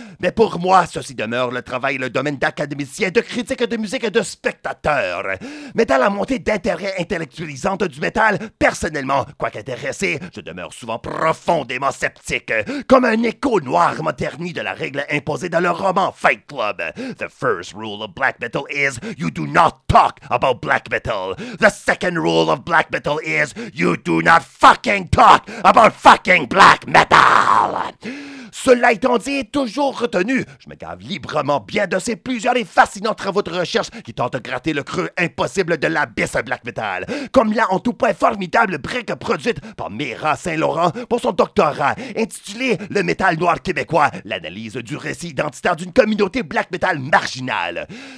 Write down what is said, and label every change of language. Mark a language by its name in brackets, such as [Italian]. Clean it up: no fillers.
[French] Mais pour moi, ceci demeure le travail et le domaine d'académiciens, de critiques de musique et de spectateurs. Mais dans la montée d'intérêt intellectualisante du métal, personnellement, quoique intéressé, je demeure souvent profondément sceptique, comme un écho noir m'a terni de la règle imposée dans le roman Fight Club. [English] The first rule of black metal is you do not talk about black metal. The second rule of black metal is you do not fucking talk about fucking black metal! [French] Cela étant dit, toujours retenu, je me gave librement bien de ces plusieurs et fascinants travaux de recherche qui tentent de gratter le creux impossible de l'abysse black metal, comme la en tout point formidable brique produite par Mira Saint-Laurent pour son doctorat, intitulé « Le métal noir québécois, l'analyse du récit identitaire d'une communauté black metal marginale ».